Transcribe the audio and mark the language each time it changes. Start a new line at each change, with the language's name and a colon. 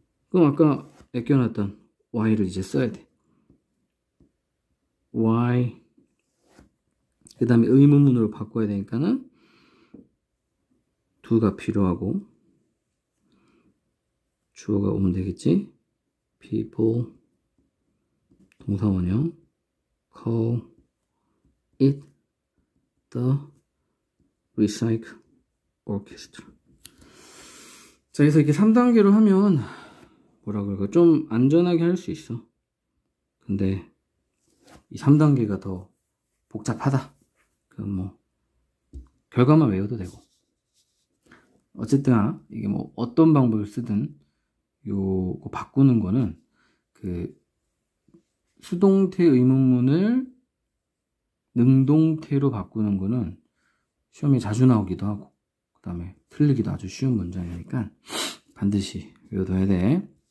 Korean: 그럼 아까 아껴놨던 Y를 이제 써야 돼. Why 그 다음에 의문문으로 바꿔야 되니까는 두가 필요하고 주어가 오면 되겠지?
English: People 동사원형 call it the recycle orchestra.
Korean: 자, 그래서 이렇게 3단계로 하면 뭐라 그럴까? 좀 안전하게 할수 있어. 근데 이 3단계가 더 복잡하다. 그럼 뭐 결과만 외워도 되고. 어쨌든 이게 뭐 어떤 방법을 쓰든 요거 바꾸는 거는 그 수동태 의문문을 능동태로 바꾸는 거는 시험에 자주 나오기도 하고 그다음에 틀리기도 아주 쉬운 문장이니까 반드시 외워둬야 돼.